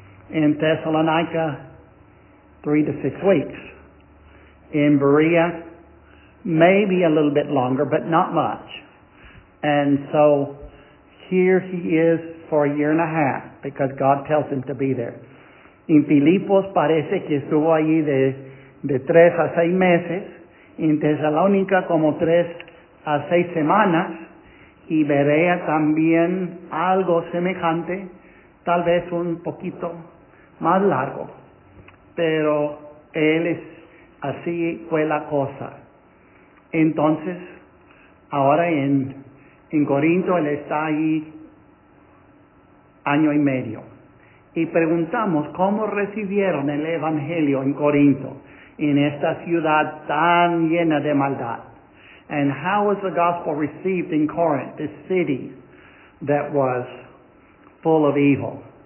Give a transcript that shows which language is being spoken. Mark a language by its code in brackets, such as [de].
[en] In Thessalonica, 3 to 6 weeks. In Berea, maybe a little bit longer, but not much. And so here he is for 1.5 years, because God tells him to be there. [es] In Filipos, parece que estuvo allí de 3 a 6 meses. In Tesalónica, como 3 a 6 semanas. Y Berea también algo semejante, tal vez un poquito más largo. Pero él es, así fue la cosa. Entonces, ahora en Corinto, él está ahí 1.5 años. Y preguntamos, ¿cómo recibieron el Evangelio en Corinto, en esta ciudad tan llena de maldad? [en] And how was the gospel received in Corinth, this city that was full of evil?